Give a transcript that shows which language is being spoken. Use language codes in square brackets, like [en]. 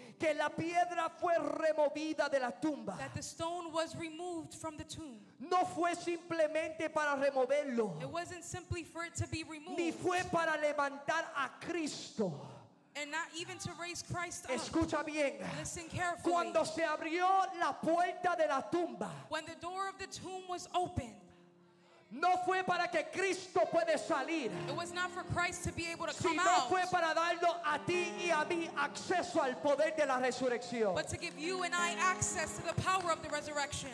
[es] que la piedra fue removida de la tumba, [en] that the stone was removed from the tomb, [es] no fue simplemente para removerlo, [en] it wasn't simply for it to be removed, [es] ni fue para levantar a Cristo, [en] and not even to raise Christ up. [es] Escucha bien. [en] Listen carefully. [es] Cuando se abrió la puerta de la tumba, [en] when the door of the tomb was opened, [es] no fue para que Cristo puede salir, [en] it was not for Christ to be able to come out, [es] sino fue para darlo a ti y a mí acceso al poder de la resurrección. [en] But to give you and I access to the power of the resurrection.